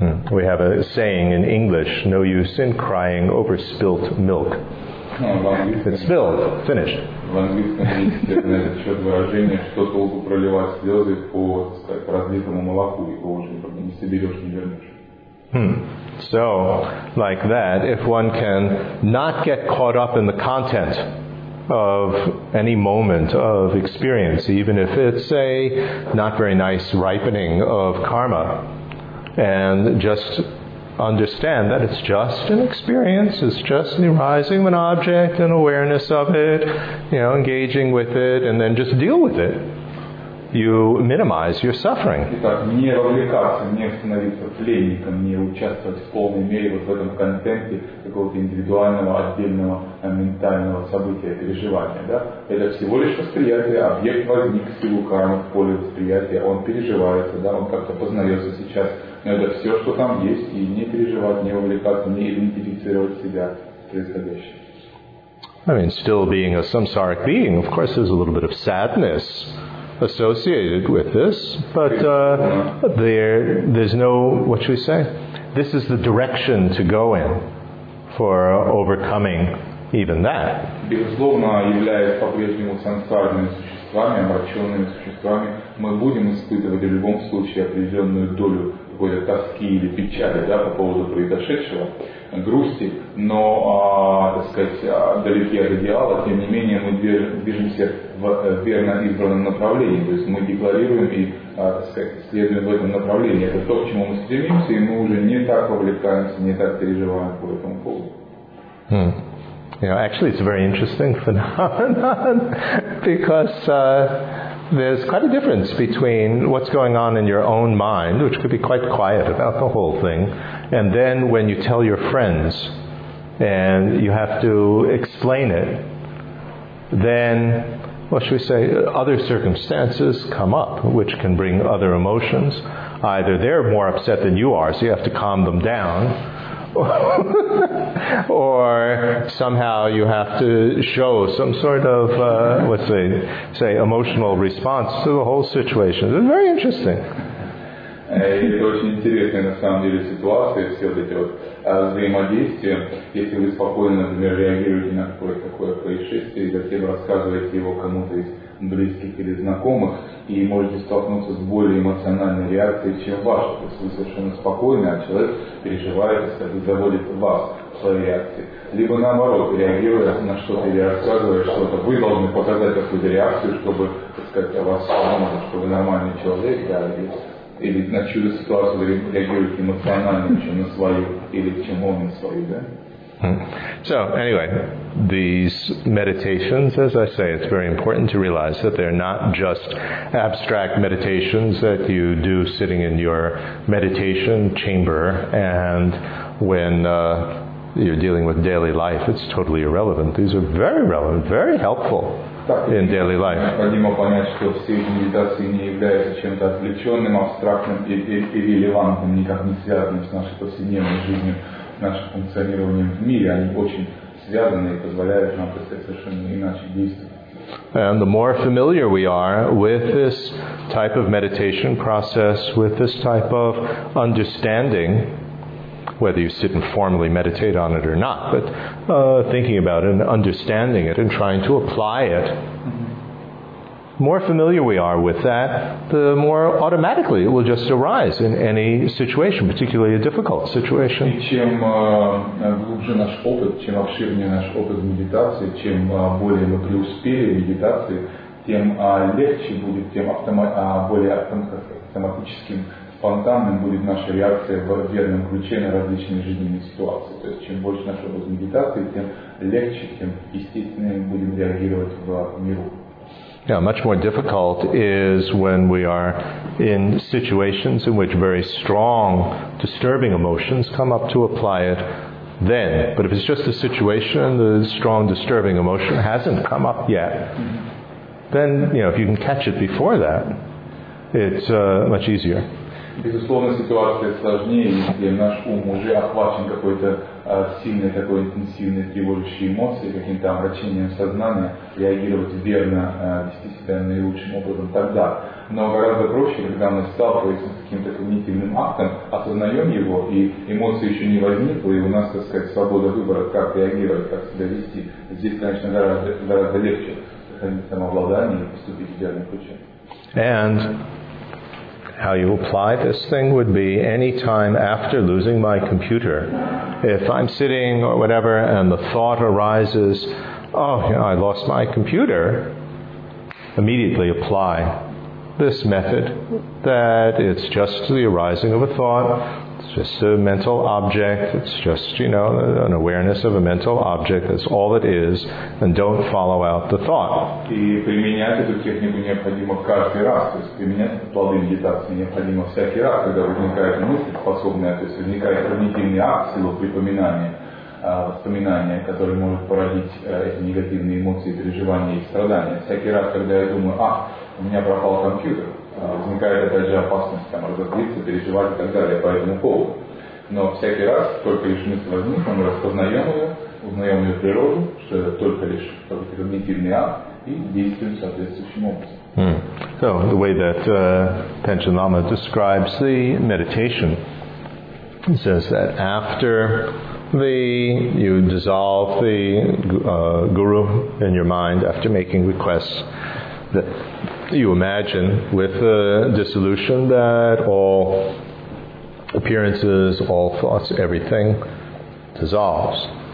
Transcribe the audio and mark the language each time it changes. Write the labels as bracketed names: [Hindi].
[English] We have a saying in English, no use in crying over spilt milk. It's spilled, finished. [Russian] В английском есть на этот счет выражение, что толку проливать слезы по, так сказать, разлитому молоку, его уже не соберешь, не вернешь. [English] So, like that, if one can not get caught up in the content of any moment of experience, even if it's a not very nice ripening of karma, and just understand that it's just an experience, it's just the arising of an object, an awareness of it, you know, engaging with it, and then just deal with it. You minimize your suffering. [Russian] Итак, не развлекаться, не становиться пленником, не участвовать в полной мере вот в этом контенте какого-то индивидуального, отдельного ментального события, переживания, да? Это всего лишь восприятие, объект возник, силу кармы в поле восприятия, он переживается, да, он как-то познается сейчас. Но это все, что там есть, и не переживать, не увлекаться, не идентифицировать себя с происходящим. [English] I mean, still being a samsaric being, of course, there's a little bit of sadness associated with this, but there's no, what should we say? This is the direction to go in for overcoming even that. [Russian] Безусловно, являясь по-прежнему сансарными существами, омраченными существами, мы будем испытывать в любом случае определенную долю какой-то тоски или печали, да, по поводу произошедшего, грусти, но, так сказать, далеки от идеала, тем не менее мы движемся в верно избранном направлении, то есть мы декларируем и, так сказать, следуем в этом направлении. Это то, к чему мы стремимся, и мы уже не так вовлекаемся, не так переживаем по этому поводу. [English] You know, actually, it's a very interesting phenomenon because there's quite a difference between what's going on in your own mind, which could be quite quiet about the whole thing, and then when you tell your friends and you have to explain it, then, what should we say, other circumstances come up which can bring other emotions. Either they're more upset than you are, so you have to calm them down, or somehow you have to show some sort of, let's say, emotional response to the whole situation. It's very interesting. [Russian] Это очень интересная, на самом деле, ситуация, все вот эти вот взаимодействия. Если вы спокойно, например, реагируете на какое-то такое происшествие, и затем рассказываете его кому-то из близких или знакомых, и можете столкнуться с более эмоциональной реакцией, чем ваша. То есть вы совершенно спокойны, а человек переживает, если вы заводите вас в своей реакции. Либо наоборот, реагируя на что-то или рассказывая что-то, вы должны показать какую-то реакцию, чтобы, так сказать, о вас самому, что вы нормальный человек, да, и... или на чью-то ситуацию реагирует эмоционально, чем на свою, или чем он на свою, да? [English] So, anyway, these meditations, as I say, it's very important to realize that they're not just abstract meditations that you do sitting in your meditation chamber, and when you're dealing with daily life, it's totally irrelevant. These are very relevant, very helpful in daily life. [Russian] Необходимо понять, что все эти медитации не являются чем-то отвлеченным, абстрактным и ирелевантным, никак не связанным с нашей повседневной жизнью, нашим функционированием в мире. Они очень связаны и позволяют нам совершенно иначе действовать. [English] And the more familiar we are with this type of meditation process, with this type of understanding, whether you sit and formally meditate on it or not, but thinking about it and understanding it and trying to apply it, the more familiar we are with that, the more automatically it will just arise in any situation, particularly a difficult situation. [Russian] И чем глубже наш опыт, чем обширнее наш опыт в медитации, чем более мы преуспели в медитации, тем легче будет, тем более автоматическим, спонтанным будет наша реакция в верном ключе на различные жизненные ситуации. То есть, чем больше наш опыт медитации, тем легче, тем естественнее будем реагировать в миру. [English] Yeah, much more difficult is when we are in situations in which very strong, disturbing emotions come up to apply it then. But if it's just a situation, the strong, disturbing emotion hasn't come up yet, then, you know, if you can catch it before that, it's much easier. [Russian] Безусловно, ситуация сложнее, если наш ум уже охвачен какой-то сильной, такой интенсивной, тревожащей эмоцией, каким-то омрачением сознания, реагировать верно, вести себя наилучшим образом тогда. Но гораздо проще, когда мы сталкиваемся с каким-то когнитивным актом, осознаем его, и эмоции еще не возникло, и у нас, так сказать, свобода выбора, как реагировать, как себя вести. Здесь, конечно, гораздо легче сохранить самообладание и поступить в верном ключе. [English] And how you apply this thing would be any time after losing my computer. If I'm sitting or whatever and the thought arises, oh, you know, I lost my computer, immediately apply this method, that it's just the arising of a thought, it's just a mental object, it's just, you know, an awareness of a mental object, that's all it is, and don't follow out the thought. [Russian] И применять эту технику необходимо каждый раз, то есть применять плоды медитации необходимо всякий раз, когда возникает мысль способная, то есть возникает когнитивный акт, силу припоминания, воспоминания, которые могут породить эти негативные эмоции, переживания и страдания. Всякий раз, когда я думаю, ах, у меня пропал компьютер, возникает опять же опасность там разозлиться, переживать и так далее по этому поводу. Но всякий раз, только лишь мысль возникла, мы распознаем ее, узнаем ее природу, что это только лишь когнитивный акт, и действуем соответствующим образом. Mm. [English] So, the way that Тенчин Лама describes the meditation, he says that after you dissolve the guru in your mind after making requests, that you imagine with the dissolution that all appearances, all thoughts, everything dissolves.